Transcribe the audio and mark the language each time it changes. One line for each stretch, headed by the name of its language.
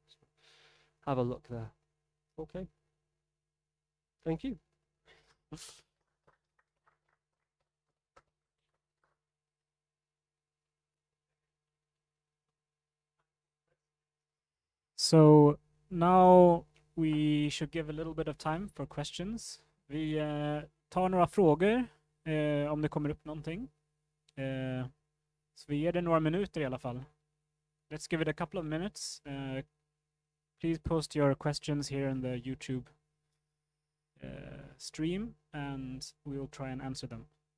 English: So have a look there. Okay. Thank you. So now we should give a little bit of time for questions.
Swedish: Vi tar några frågor om det kommer upp någonting. Så vi ger det några minuter i alla fall.
English: Let's give it a couple of minutes. Please post your questions here in the YouTube stream and we will try and answer them.